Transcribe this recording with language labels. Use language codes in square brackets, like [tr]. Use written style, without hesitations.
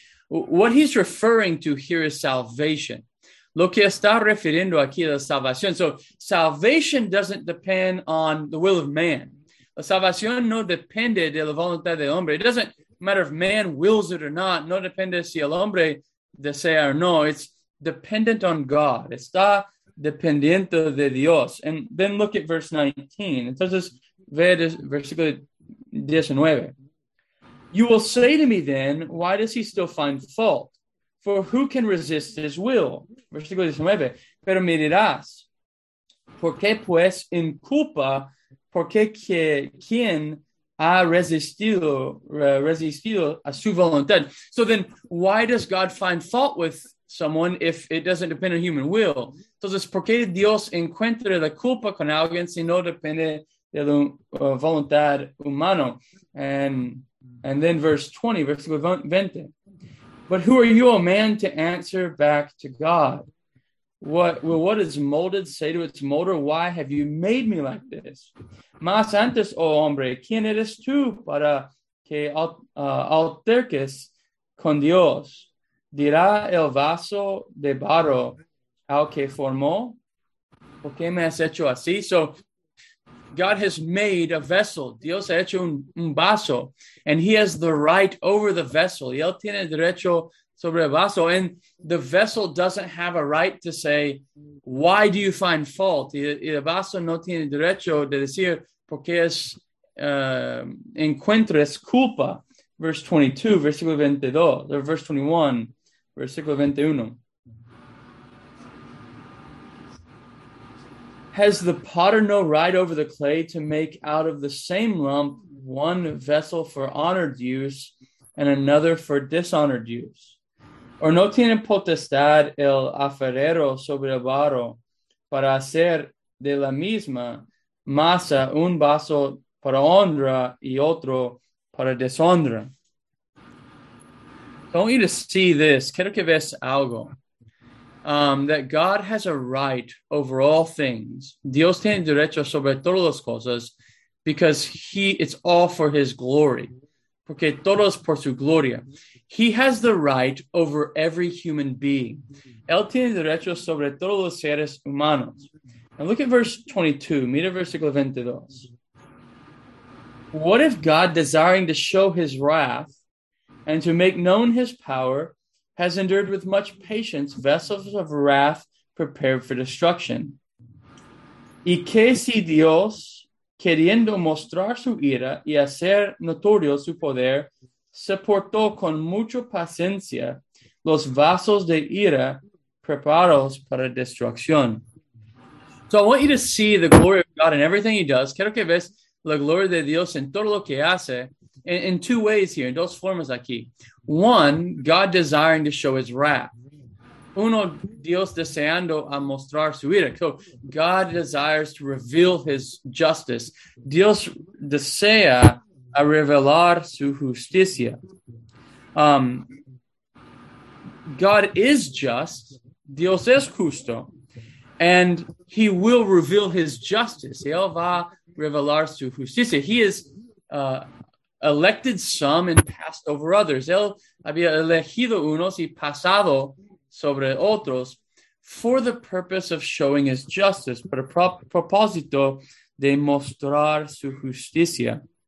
[en] What he's referring to here is salvation. [es] Lo que está refiriendo aquí es la salvación. [en] So, salvation doesn't depend on the will of man. [es] La salvación no depende de la voluntad del hombre. [en] It doesn't matter if man wills it or not. [es] No depende si el hombre desea o no. It's [en] dependent on God. [es] Está dependiendo de Dios. [en] And then look at verse 19. [es] Entonces, ve versículo 19. [en] You will say to me then, why does he still find fault? For who can resist his will? [es] Versículo 19. Pero me dirás, ¿por qué pues en culpa? ¿Por qué quién ha resistido a su voluntad? [en] So then, why does God find fault with someone if it doesn't depend on human will? [es] Entonces, ¿por qué Dios encuentra la culpa con alguien si no depende de la voluntad humana? [en] And then verse 20, [es] versículo 20. [en] But who are you, O man, to answer back to God? What does molded say to its molder? Why have you made me like this? [es] Mas antes, oh hombre, ¿quién eres tú para que alterques con Dios? ¿Dirá el vaso de barro al que formó? ¿Por qué me has hecho así? [en] So God has made a vessel. [es] Dios ha hecho un vaso. [en] And he has the right over the vessel. [es] Y él tiene derecho sobre el vaso, [en] and the vessel doesn't have a right to say, why do you find fault? [es] El vaso no tiene derecho de decir, ¿por qué es, encuentras culpa? [en] Verse 22, [es] versículo 22, [en] or verse 21, [es] versículo 21. [en] Has the potter no right over the clay to make out of the same lump one vessel for honored use and another for dishonored use? [es] ¿O no tiene potestad el alfarero sobre el barro para hacer de la misma masa un vaso para honra y otro para deshonra? [en] I want you to see this. [es] Quiero que veas algo. [en] That God has a right over all things. [es] Dios tiene derecho sobre todas las cosas [en] because it's all for his glory. [es] Porque todo es por su gloria. [en] He has the right over every human being. [es] Él tiene derecho sobre todos los seres humanos. [en] And look at verse 22. [es] Mira versículo 22. [en] What if God, desiring to show his wrath and to make known his power, has endured with much patience vessels of wrath prepared for destruction? [es] ¿Y qué si Dios, queriendo mostrar su ira y hacer notorio su poder, soportó con mucha paciencia los vasos de ira preparados para destrucción? [en] So I want you to see the glory of God in everything he does. [es] Quiero que ves la gloria de Dios en todo lo que hace [en] in two ways here, [es] en dos formas aquí. [en] One, God desiring to show his wrath. [es] Uno, Dios deseando a mostrar su ira. [en] So God desires to reveal his justice. [es] Dios desea a revelar su justicia. [en] God is just. [es] Dios es justo. [en] And he will reveal his justice. [es] Él va a revelar su justicia. [en] He is elected some and passed over others. [es] Él había elegido unos y pasado sobre otros, [en] for the purpose of showing his justice, [es] para propósito de mostrar su justicia.